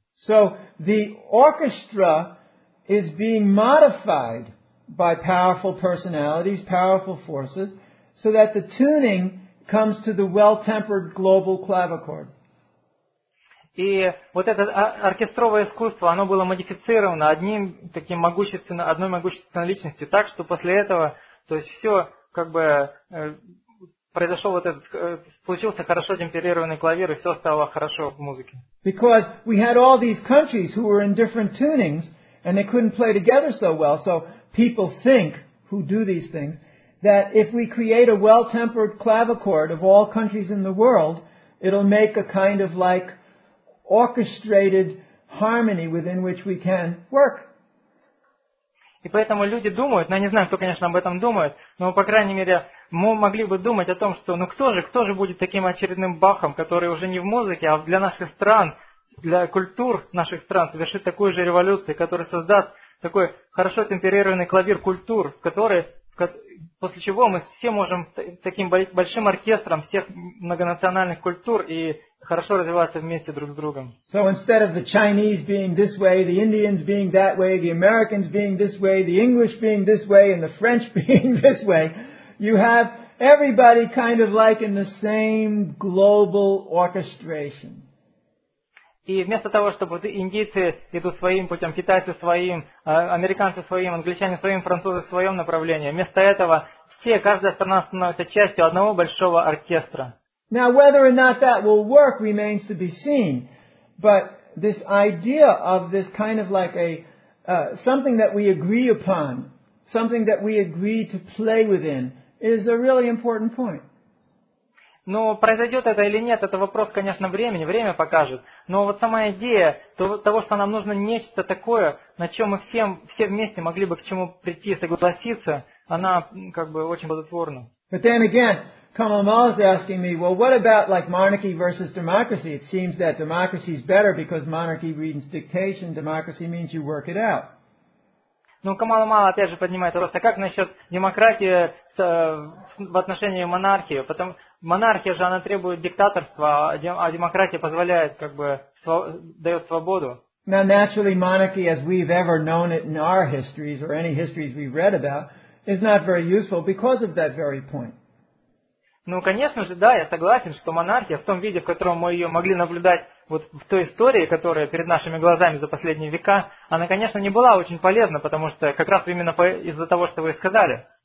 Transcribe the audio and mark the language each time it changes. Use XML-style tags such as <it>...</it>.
<en>So the orchestra is being modified by powerful personalities, powerful forces, so that the tuning comes to the well-tempered global clavichord.</en> <ru>И вот это оркестровое искусство, оно было модифицировано одним таким могущественным, одной могущественной личностью, так что после этого, то есть все как бы произошел вот этот, случился хорошо темперированный клавир, и все стало хорошо в музыке.</ru> <en>Because we had all these countries who were in different tunings, and they couldn't play together so well, so people think, who do these things, that if we create a well-tempered clavichord of all countries in the world, it'll make a kind of like orchestrated harmony within which we can work.</en> <ru>И поэтому люди думают, ну я не знаю, кто, конечно, об этом думает, но, по крайней мере, мы могли бы думать о том, что ну кто же будет таким очередным Бахом, который уже не в музыке, а для наших стран, для культур наших стран совершит такую же революцию, которая создаст такой хорошо темперированный клавир культур, после чего мы все можем таким большим оркестром всех многонациональных культур и хорошо развиваться вместе друг с другом.</ru> <en>So instead of the Chinese being this way, the Indians being that way, the Americans being this way, the English being this way, and the French being this way, you have everybody kind of like in the same global orchestration.</en> <ru>И вместо того, чтобы индийцы идут своим путем, китайцы своим, американцы своим, англичане своим, французы своим направлением, вместо этого все, каждая страна становится частью одного большого оркестра.</ru> <en>Now, whether or not that will work remains to be seen, but this idea of this kind of like a something that we agree upon, something that we agree to play within, is a really important point.</en> <ru>Но произойдет это или нет, это вопрос, конечно, времени, время покажет. Но вот сама идея того, что нам нужно нечто такое, на чем мы все вместе могли бы к чему прийти и согласиться, она как бы очень плодотворна.</ru> <en>But then again, Kamal Amal is asking me, well, what about like monarchy versus democracy? It seems that democracy is better because monarchy means dictation, democracy means you work it out.</en> <ru>Ну, Камал Амал опять же поднимает вопрос, а как насчет демократии в отношении монархии? Монархия же, она требует диктаторства, а демократия позволяет, как бы, дает свободу.</ru> <en>Now, naturally, monarchy, as we've ever known it in our histories, or any histories we've read about, is not very useful because of that very point.</en> <ru>Ну, конечно же, да, я согласен, что монархия в том виде, в котором мы ее могли наблюдать вот в той истории, которая перед нашими глазами за последние века, она, конечно, не была очень полезна, потому что как раз именно из-за того, что вы сказали.</ru>